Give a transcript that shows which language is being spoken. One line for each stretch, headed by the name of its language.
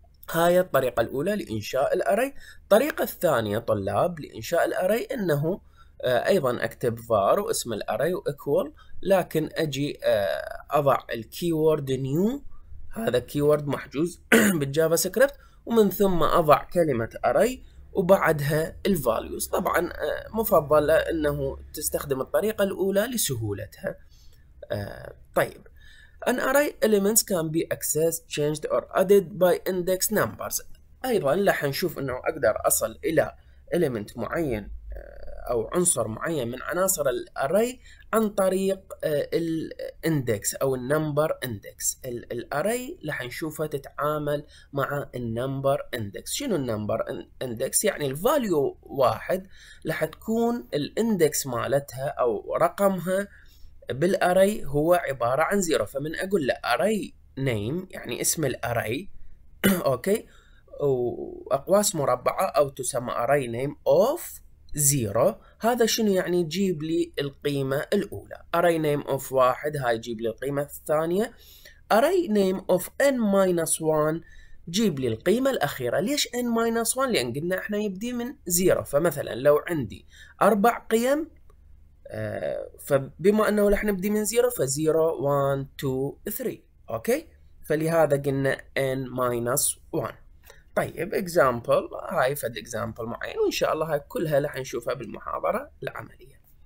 Arabic: هاي الطريقة الأولى لإنشاء الأري. الطريقة الثانية طلاب لإنشاء الأري أنه أيضا أكتب var واسم الأري وإكوال، لكن أجي أضع الكيورد نيو، هذا كيورد محجوز بالجافا سكريبت، ومن ثم أضع كلمة أري وبعدها الفاليوز. طبعا مفضلة أنه تستخدم الطريقة الأولى لسهولتها. طيب
English: An array elements can be accessed, changed or added by index numbers.
Arabic: أيضا راح نشوف أنه أقدر أصل إلى element معين أو عنصر معين من عناصر الـ array عن طريق الـ index أو الـ number index. الـ array راح نشوفها تتعامل مع الـ number index. شنو الـ number index؟ يعني الـ value واحد راح تكون الـ index مالتها أو رقمها بالاري هو عبارة عن زيرو. فمن اقول له array name يعني اسم الاري اوكي واقواس مربعة او تسمى
English: array name of zero،
Arabic: هذا شنو يعني؟ يجيب لي القيمة الاولى.
English: array name of
Arabic: واحد هاي يجيب لي القيمة الثانية.
English: array name of n minus one
Arabic: جيب لي القيمة الأخيرة. ليش n minus one؟ لأن قلنا احنا يبدي من زيرو. فمثلا لو عندي أربع قيم، فبما انه راح نبدي من 0 ف 0 1 2 3 اوكي، فلهذا قلنا n minus 1. طيب اكزامبل، هاي فد اكزامبل معين وان شاء الله هاي كلها راح نشوفها بالمحاضره العمليه.